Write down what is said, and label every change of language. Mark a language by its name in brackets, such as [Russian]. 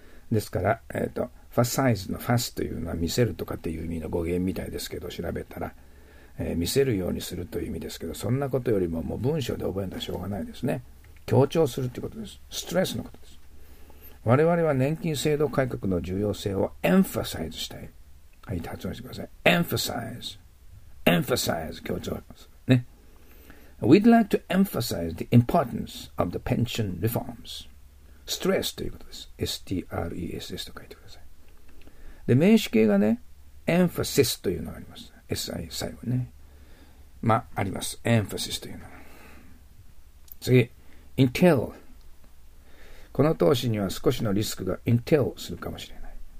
[Japanese] ですからファサイズのファスというのは見せるとかっていう意味の語源みたいですけど、調べたら、見せるようにするという意味ですけど、そんなことよりももう文章で覚えんとしょうがないですね。強調するということです。ストレスのことです。我々は年金制度改革の重要性をエンファサイズしたい。はい、発音してください。エンファサイズ、エンファサイズ、強調ですね。 [English] We'd like to emphasize the importance of the pension reforms。 [Japanese] ストレスということです。 STRESS と書いてください。で、名詞形がね、emphasis というのがあります。 SI 最後ね。まあ、あります。emphasis というのが。次、entail。この投資には少しのリスクが entail するかもしれない。